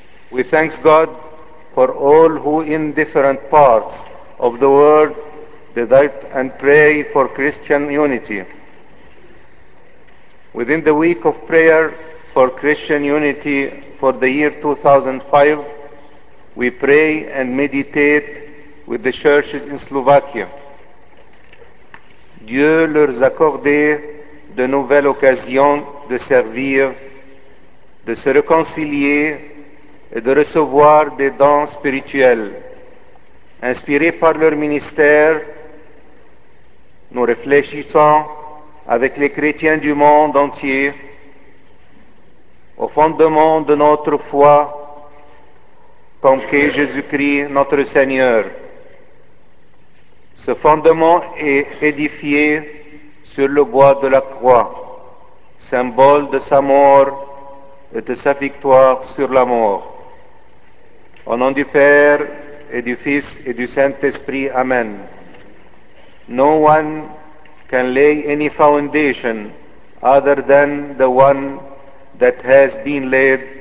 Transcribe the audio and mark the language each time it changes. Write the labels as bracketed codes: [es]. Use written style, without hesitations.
[en] We thank God for all who in different parts of the world desire and pray for Christian unity. Within the week of prayer for Christian unity for the year 2005, we pray and meditate with the churches in Slovakia. [fr] Dieu leur accorde de nouvelles occasions de servir, de se réconcilier et de recevoir des dons spirituels. Inspirés par leur ministère, nous réfléchissons avec les chrétiens du monde entier au fondement de notre foi comme qu'est Jésus-Christ notre Seigneur. Ce fondement est édifié sur le bois de la croix, symbole de sa mort et de sa victoire sur la mort. Au nom du Père et du Fils et du Saint-Esprit, Amen. [en] No one can lay any foundation other than the one that has been laid.